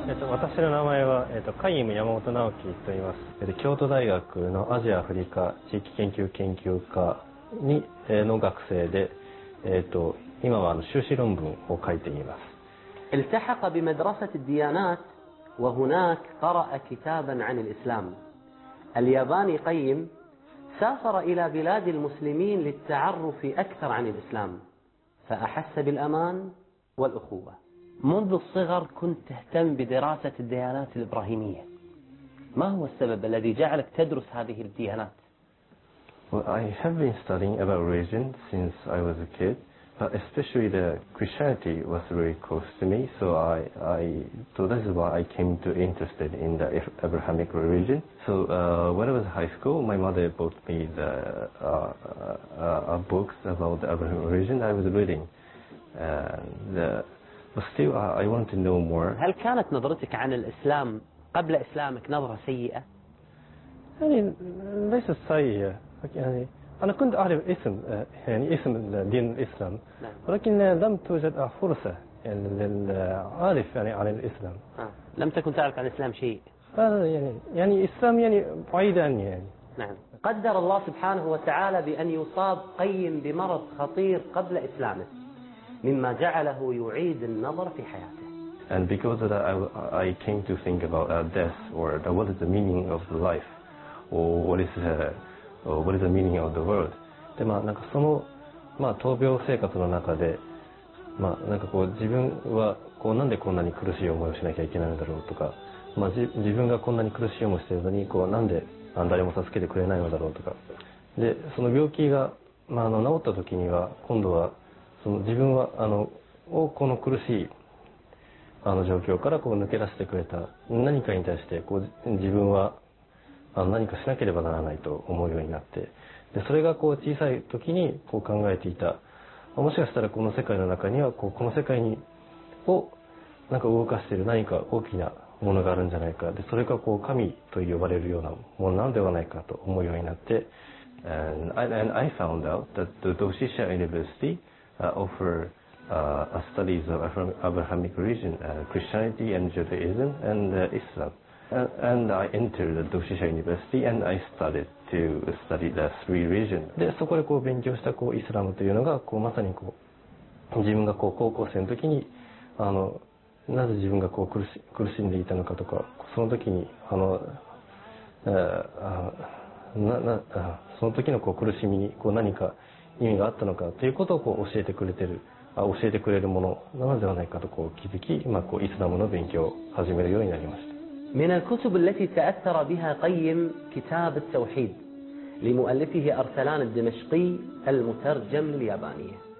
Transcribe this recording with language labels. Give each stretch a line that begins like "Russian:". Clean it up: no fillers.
Japanese: 私の名前は、カイム山本直樹と言います。京都大学のアジアアフリカ地域研究研究科に、の学生で、今は修士論文を書いています。
Arabic: التحق بمدرسة الديانات وهناك قرأ كتابا عن الإسلام. الياباني قيم سافر إلى بلاد المسلمين للتعرف أكثر عن الإسلام، فأحس بالأمان والأخوة. منذ الصغر كنت تهتم بدراسة الديانات الإبراهيمية، ما هو السبب الذي جعلك تدرس هذه الديانات؟
English: Well, I have been studying about religion since I was a kid, but especially the Christianity was very close to me, so that's why I came to interested in the Abrahamic religion. So when I was in high school, my mother bought me the books about the Abrahamic religion. I was reading But still, I want to know more.
Arabic: هل كانت نظرتك عن الإسلام قبل إسلامك نظرة سيئة؟ يعني ليس سيئة، يعني أنا كنت أعرف اسم، يعني اسم دين الإسلام، ولكن لم توجد فرصة يعني للعارف يعني عن الإسلام. لم تكن تعرف عن الإسلام شيء. يعني الإسلام يعني بعيد عني يعني. نعم. قدر الله سبحانه وتعالى بأن يصاب قيم بمرض خطير قبل إسلامه، مما جعله يعيد النظر في حياته.
English: And because of that, I came to think about death, or what is the meaning of life, or what is the meaning of the world.
Japanese: で、まあ、なんかその、まあ、闘病生活の中で、まあ、なんかこう自分はこうなんでこんなに苦しい思いをしなきゃいけないんだろうとか、まあ、自分がこんなに苦しい思いをしているのにこうなんで誰も助けてくれないのだろうとか、でその病気が、まあ、治った時には今度は自分はこの苦しい状況からこう抜け出してくれた何かに対してこう自分は何かしなければならないと思うようになって、でそれがこう小さい時にこう考えていた、もしかしたらこの世界の中にはこうこの世界をなんか動かしている何か大きなものがあるんじゃないか、でそれがこう神と呼ばれるようなものなのではないかと思うようになって。
English: And I found out that the Doshisha UniversityOffer studies of Abrahamic religion, Christianity and Judaism and Islam. And I entered the Doshisha University and I started to study the three religions.
Japanese: で、そこでこう勉強したこうイスラムというのがこうまさにこう自分がこう高校生の時に、なぜ自分がこう苦しんでいたのかとか、その時にその時のこう苦しみにこう何か意味があったのかということをこう教えてくれるものなのではないかとこう気づき、今こうイスラムの勉強を始めるようになりました。
Arabic: من الكتب التي تأثر بها قيم كتاب التوحيد لمؤلفه أرسلان الدمشقي المترجم اليابانية.